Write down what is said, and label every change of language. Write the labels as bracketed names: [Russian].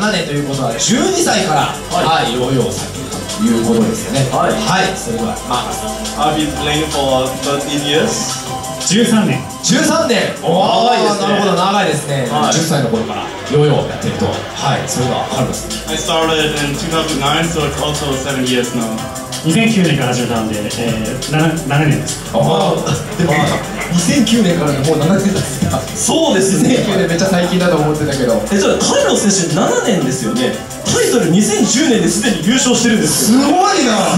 [Japanese] 7年ということは12歳から、はいはい、ヨーヨーされてるということですよね。はい、はい、それではマーカス。 [English] I've been playing for 13 years. [Japanese] 13年。おー、長いですね。なるほど、長いですね、はい、10歳の頃からヨーヨーやってると。はい、それではカルロス。 [English] I started in 2009, so it's also 7 years now. [Japanese] 2009年から始めたんで、7年です。おー、でも2009年からもう7年だった。そうですね、 2009年めっちゃ最近だと思ってたけど。え、じゃあカルロス選手7年ですよね。タイトル2010年ですでに優勝してるんですよ。すごいな。